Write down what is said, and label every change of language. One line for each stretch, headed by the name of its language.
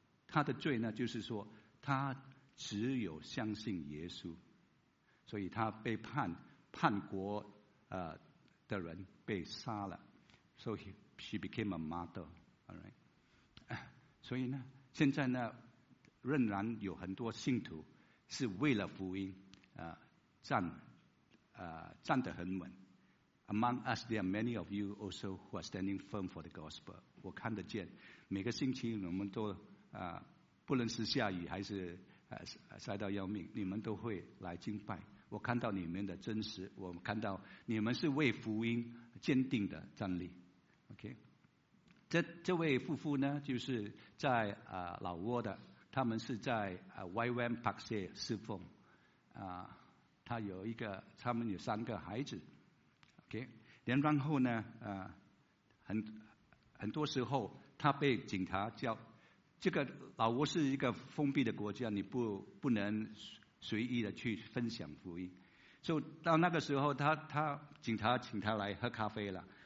Chinese: 她的罪呢，就是说她只有相信耶稣，所以她被叛国的人被杀了。
English: So she became a martyr.
Chinese: Alright， 所以呢现在呢仍然有很多信徒是为了福音站得很稳。
English: Among us there are many of you also who are standing firm for the gospel.
Chinese: 我看得见每个星期我们都不论是下雨还是晒到要命，你们都会来敬拜。我看到你们的真实，我看到你们是为福音坚定的站立。 OK，这位夫妇呢，就是在老挝的，他们是在YWAM Park Se侍奉，他们有三个孩子 ，OK， 然后呢，很多时候他被警察叫，这个老挝是一个封闭的国家，你不能随意的去分享福音，就到那个时候他警察请他来喝咖啡了。